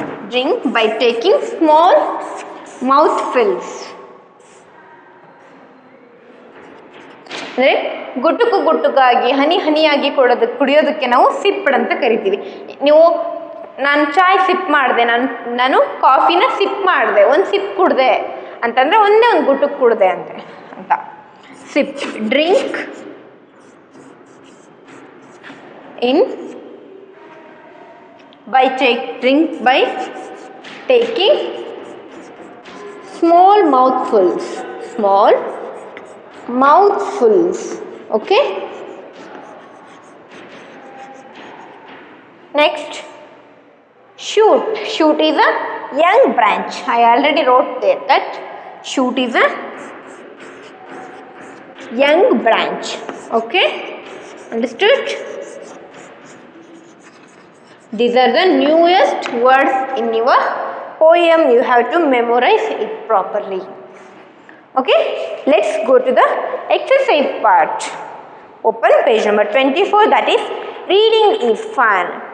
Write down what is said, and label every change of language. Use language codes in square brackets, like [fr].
[en] Drink by taking small mouthfuls. [kn] ಅಂದರೆ ಗುಟುಕು ಗುಟುಕಾಗಿ ಹನಿ ಹನಿಯಾಗಿ ಕೊಡೋದು ಕುಡಿಯೋದಕ್ಕೆ ನಾವು ಸಿಪ್ಡ್ ಅಂತ ಕರಿತೀವಿ. ನೀವು ನಾನು ಚಾಯ್ ಸಿಪ್ ಮಾಡಿದೆ, ನಾನು ಕಾಫಿನ ಸಿಪ್ ಮಾಡಿದೆ, ಒಂದು ಸಿಪ್ ಕುಡಿದೆ ಅಂತಂದರೆ ಒಂದೇ ಒಂದು ಗುಟುಕು ಕುಡಿದೆ ಅಂತೆ ಅಂತ. [en] Sip drink in by take drink by taking small mouthfuls small mouthfuls okay. Next shoot. Shoot is a young branch. I already wrote there that shoot is a young branch. Okay, understood? These are the newest words in your poem. You have to memorize it properly. Okay, let's go to the exercise part. Open page number 24, that is reading is fun.